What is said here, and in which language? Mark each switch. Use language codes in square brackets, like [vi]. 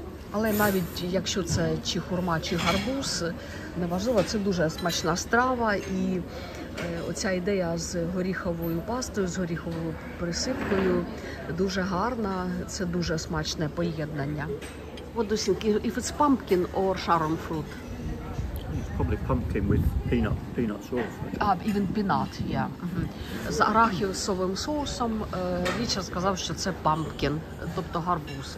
[uk] Але навіть якщо це чи хурма, чи гарбуз, неважливо, це дуже смачна страва. І оця ідея з горіховою пастою, з горіховою присипкою дуже гарна. Це дуже смачне поєднання. [en] What do you think? If it's pumpkin or charron fruit? It's probably pumpkin with peanut sauce. Ah, even peanut, yeah. [uk] З арахісовим соусом Річа сказав, що це pumpkin, тобто гарбуз.